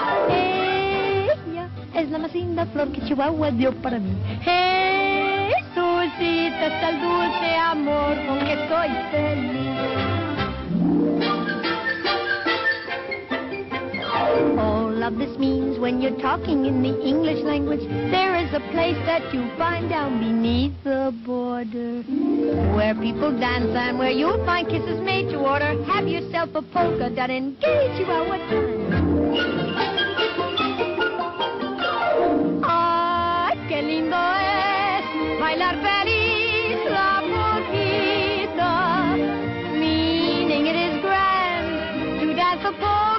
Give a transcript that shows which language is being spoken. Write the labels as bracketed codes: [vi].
[es] Ella es la más linda flor que Chihuahua dio para mí. Jesucita es el dulce amor con que soy feliz. [en] All of this means when you're talking in the English language, there is a place that you find down beneath the border, where people dance and where you'll find kisses made to order. Have yourself a polka that engages you all the time. [es] Ah, qué lindo es bailar feliz la polquita. [en] Meaning it is grand to dance a polka.